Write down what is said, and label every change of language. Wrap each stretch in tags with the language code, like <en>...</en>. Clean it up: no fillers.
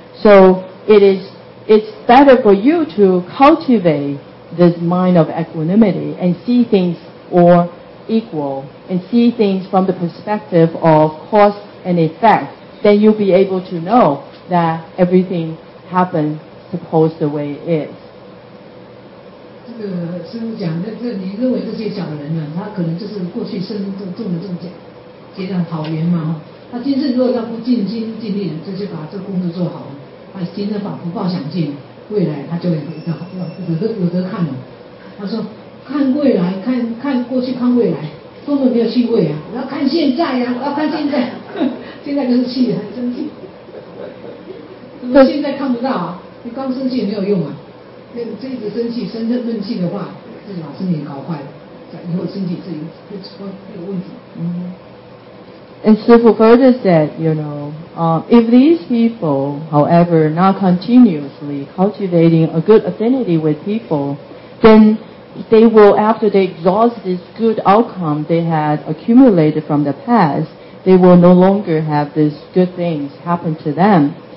<en>So it's better for you to cultivate this mind of equanimity and see things or equal and see things from the perspective of cause and effect. Then you'll be able to know that everything happened supposed the way it is.</en> <zh>这个师父讲，你认为这些小人呢，他可能就是过去生中的结上好缘嘛，他今生如果他不尽心尽力，就是把这个工作做好，他今生把福报享尽，未来他就有得看了。他说看未来，看过去，看未来，根本没有趣味啊！我要看现在啊，我要看现在。现在就是气，很生气。怎么现在看不到啊？你光生气也没有用啊。那这一直生气，生闷闷气的话，自己把身体搞坏了，以后身体自己会出问题。嗯。</zh> <en>And Sifu further said, you know, if these people, however, not continuously cultivating a good affinity with people, then they will, after they exhaust this good outcome they had accumulated from the past, they will no longer have these good things happen to them.</en>